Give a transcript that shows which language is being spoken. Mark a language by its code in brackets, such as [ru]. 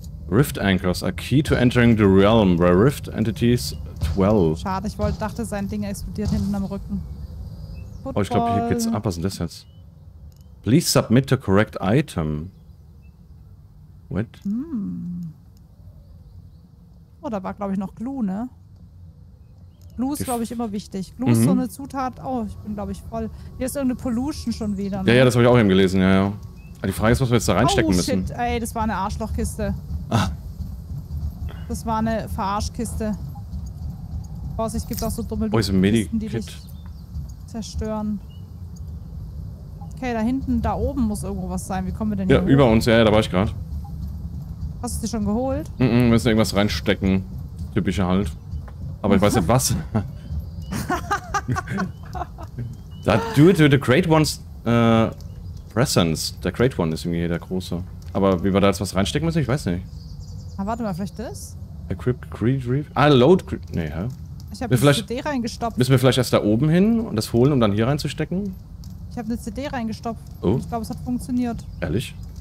[en] Rift Anchors are key to entering the realm where Rift Entities dwell. [de] Schade, ich dachte, sein Ding explodiert hinten am Rücken. [en] Football. [de] Oh, ich glaube, hier geht's ab. Was ist das jetzt? [en] Please submit the correct item. What? [de] Hm. Oh, da war, glaube ich, noch Glue, ne? Glue ist, glaube ich, immer wichtig. Glue ist so eine Zutat. Oh, ich bin, glaube ich, voll. Hier ist irgendeine Pollution schon wieder. Ne? Ja, das habe ich auch eben gelesen, ja. Aber die Frage ist, was wir jetzt da reinstecken müssen. Oh, shit, ey, das war eine Arschlochkiste. Das war eine Verarschkiste. Vorsicht, gibt auch so dumme Kisten, die dich zerstören. Okay, da hinten, da oben muss irgendwo was sein. Wie kommen wir denn hier? Ja, über uns, ja, da war ich gerade. Hast du dir schon geholt? Mhm, wir müssen irgendwas reinstecken. Typischer halt. Aber ich weiß nicht was. [en] Da do it with the Great One's Presence. [de] Der Great One ist irgendwie der große. Aber wie wir da jetzt was reinstecken müssen, ich weiß nicht. Ah, warte mal, vielleicht das? [en] Equipped Creed Reef? Ah, Load Creed. [de] Nee, hä? Ich hab eine CD reingestopft. Müssen wir vielleicht erst da oben hin und das holen, um dann hier reinzustecken? Ich hab eine CD reingestopft. Oh. Ich glaube, es hat funktioniert. Ehrlich?